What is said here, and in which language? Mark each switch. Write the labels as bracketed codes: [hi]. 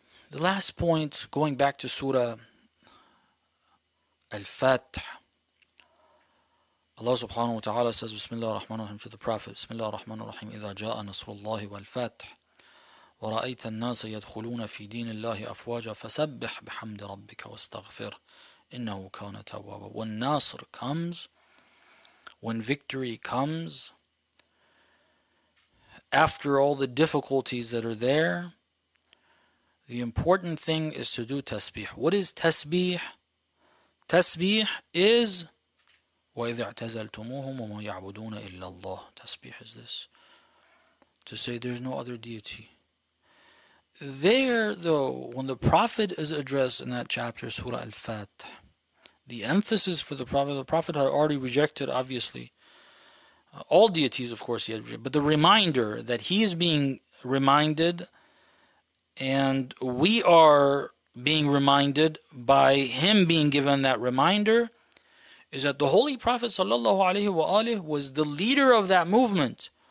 [en] The last point, going back to Surah Al-Fath, Allah subhanahu wa ta'ala says, Bismillah ar-Rahman ar-Rahim, to the Prophet, Bismillah ar-Rahman ar-Rahim, [ar] إذا جاء نصر الله والفتح ورأيت الناس يدخلون في دين الله أفواجا فسبح بحمد ربك واستغفر إنه كان توابا. [en] When Nasr comes, when victory comes, after all the difficulties that are there, the important thing is to do tasbih. What is tasbih? Tasbih is [ar] وَإِذْ اَعْتَزَلْتُمُوهُمْ وَمَا يَعْبُدُونَ إِلَّا اللَّهِ. [en] Tasbih is this. To say there's no other deity. There, though, when the Prophet is addressed in that chapter, Surah Al-Fath, the emphasis for the Prophet had already rejected, obviously, all deities, of course, he had rejected, but the reminder that he is being reminded, and we are being reminded by him being given that reminder, is that the Holy Prophet sallallahu alaihi wa alihi was the leader of that movement.